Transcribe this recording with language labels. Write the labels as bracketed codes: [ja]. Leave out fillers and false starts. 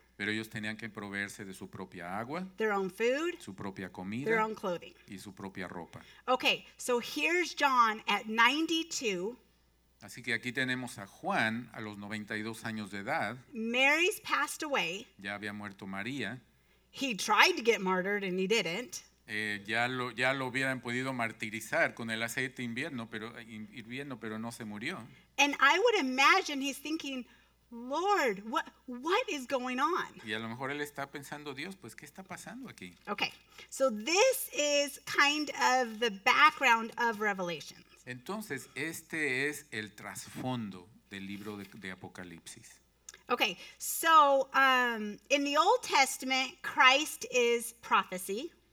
[es] Pero ellos tenían que proveerse de su propia agua. [en] Their own food. [es] Su propia comida. [en] Their own clothing. [es] Y su propia ropa. [en] Okay, so here's John at 92. [es] Así que aquí tenemos a Juan a los 92 años de edad. [en] Mary's passed away. [es] Ya había muerto María. [en] He tried to get martyred and he didn't. [es] Ya lo hubieran podido martirizar con el aceite hirviendo, pero no se murió. [en] And I would imagine he's thinking, Lord, what is going on? [es] Y a lo mejor él está pensando, Dios, pues, ¿qué está pasando aquí? [en] Okay, so this is kind of the background of Revelations. [es] Entonces, este es el trasfondo del libro de Apocalipsis. [en] Okay, so in the Old Testament, Christ is prophecy.